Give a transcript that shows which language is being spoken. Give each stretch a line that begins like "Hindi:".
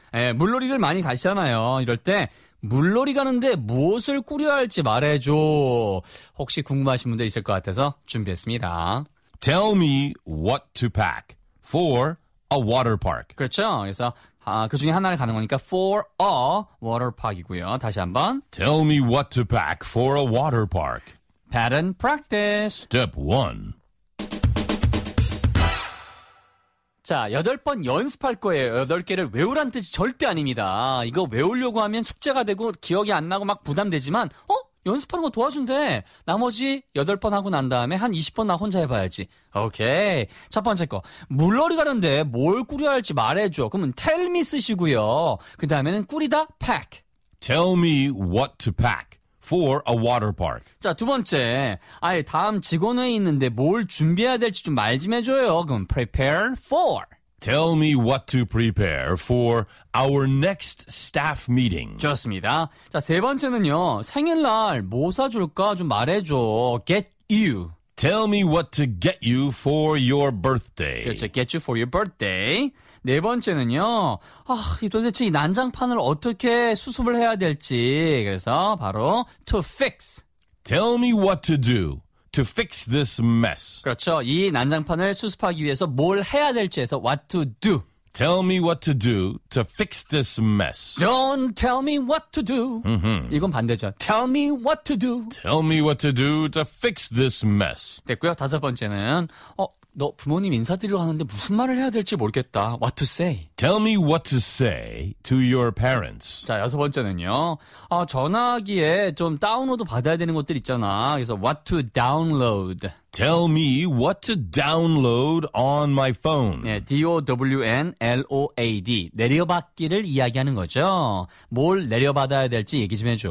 Korean: 예, 물놀이를 많이 가시잖아요. 이럴 때 물놀이 가는데 무엇을 꾸려야 할지 말해줘. 혹시 궁금하신 분들 있을 것 같아서 준비했습니다.
English: Tell me what to pack for a water park.
Korean: 그렇죠. 그래서 아, 그 중에 하나를 가는 거니까
English: for a water park
Korean: 이고요. 다시 한번.
English: Tell me what to pack for a water park. Pattern practice. Step 1.
Korean: 자, 8번 연습할 거예요. 8개를 외우란 뜻이 절대 아닙니다. 이거 외우려고 하면 숙제가 되고 기억이 안 나고 막 부담되지만 어? 연습하는 거 도와준대. 나머지 8번 하고 난 다음에 한 20번 나 혼자 해봐야지. 오케이. 첫 번째 거. 물놀이 가는데 뭘 꾸려야 할지 말해줘. 그러면
English: tell me
Korean: 쓰시고요. 그 다음에는 꾸리다 pack.
English: Tell me what to pack for a water park.
Korean: 자, 두 번째. 아예 다음 직원회에 있는데 뭘 준비해야 될지 좀 말 좀 해줘요.
English: 그럼 prepare for. Tell me what to prepare for our next staff meeting.
Korean: 좋습니다. 자, 세 번째는요. 생일날 뭐 사줄까 좀 말해줘.
English: Get you. Tell me what to get you for your birthday.
Korean: 그렇죠.
English: Get you for your birthday.
Korean: 네 번째는요. 아, 도대체 이 난장판을 어떻게 수습을 해야 될지. 그래서 바로
English: to fix. Tell me what to do to fix this mess.
Korean: 그렇죠. 이 난장판을 수습하기 위해서 뭘 해야 될지 해서
English: what to do. Tell me what to do to fix this mess. Don't tell me what to do. Mm-hmm.
Korean: 이건 반대죠.
English: Tell me what to do. Tell me what to do to fix this mess.
Korean: 됐고요. 다섯 번째는 너 부모님 인사드리러 가는데 무슨 말을 해야 될지 모르겠다.
English: What to say? Tell me what to say to your parents.
Korean: 자, 여섯 번째는요. 전화기에 좀 다운로드 받아야 되는 것들 있잖아.
English: 그래서 what to download. Tell me what to download on my phone. 네, D-O-W-N-L-O-A-D.
Korean: 내려받기를 이야기하는 거죠. 뭘 내려받아야 될지 얘기 좀 해줘.